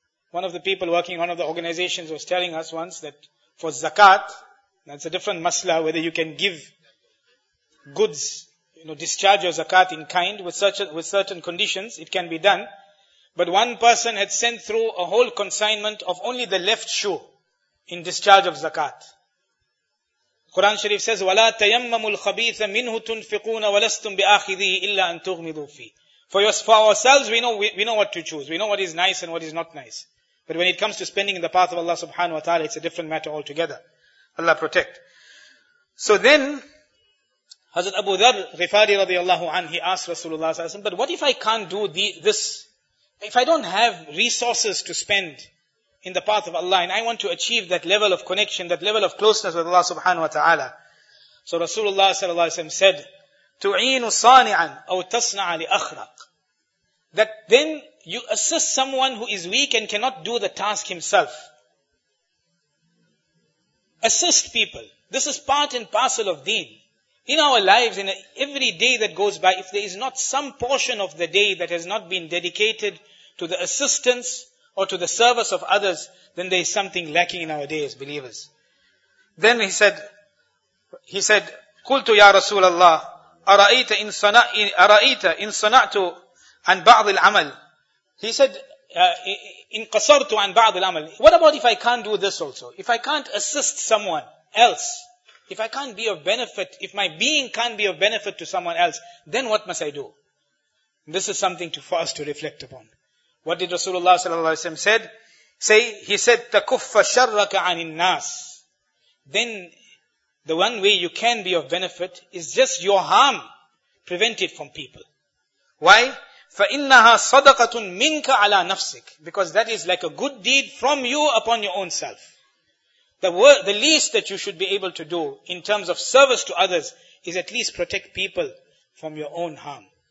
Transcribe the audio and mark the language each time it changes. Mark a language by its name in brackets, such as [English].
[English] One of the people working, one of the organizations was telling us once that for zakat, that's a different masla, whether you can give goods, you know, discharge your zakat in kind with certain conditions, it can be done. But one person had sent through a whole consignment of only the left shoe in discharge of zakat. Quran Sharif says, [Arabic] وَلَا تَيَمَّمُ الْخَبِيثَ مِنْهُ تُنْفِقُونَ وَلَسْتُمْ بِآخِذِهِ إِلَّا أَن تُغْمِضُوا فِيهِ. [English] For ourselves, we know what to choose. We know what is nice and what is not nice. But when it comes to spending in the path of Allah subhanahu wa ta'ala, it's a different matter altogether. Allah protect. So then, Hazrat Abu Dharr Ghifari radiallahu anhu, he asked Rasulullah sallallahu alayhi wa sallam, but what if I can't do this? If I don't have resources to spend in the path of Allah and I want to achieve that level of connection, that level of closeness with Allah subhanahu wa ta'ala. So Rasulullah sallallahu alayhi wa sallam said, [Arabic] تُعِينُ صَانِعًا أَوْ تَصْنَعَ لِأَخْرَقٍ. [English] That then you assist someone who is weak and cannot do the task himself. Assist people. This is part and parcel of deen. In our lives, in every day that goes by, if there is not some portion of the day that has not been dedicated to the assistance or to the service of others, then there is something lacking in our day as believers. Then he said, [Arabic] قُلْتُ يَا رَسُولَ اللَّهِ أَرَأَيْتَ إِنْ صَنَعْتُ عَنْ بَعْضِ الْعَمَلِ. [English] He said, [Arabic] إِنْ قَصَرْتُ عَنْ بَعْضِ الْعَمَلِ. [English] What about if I can't do this also? If I can't assist someone else, if I can't be of benefit, if my being can't be of benefit to someone else, then what must I do? This is something for us to reflect upon. What did Rasulullah sallallahu alaihi wasallam said? He said, [Arabic] تَكُفَّ شَرَّكَ عَنِ النَّاسِ. [English] Then the one way you can be of benefit is just your harm prevented from people. Why? [Arabic] فَإِنَّهَا صَدَقَةٌ مِنْكَ عَلَىٰ نَفْسِكَ. [English] Because that is like a good deed from you upon your own self. The least that you should be able to do in terms of service to others is at least protect people from your own harm.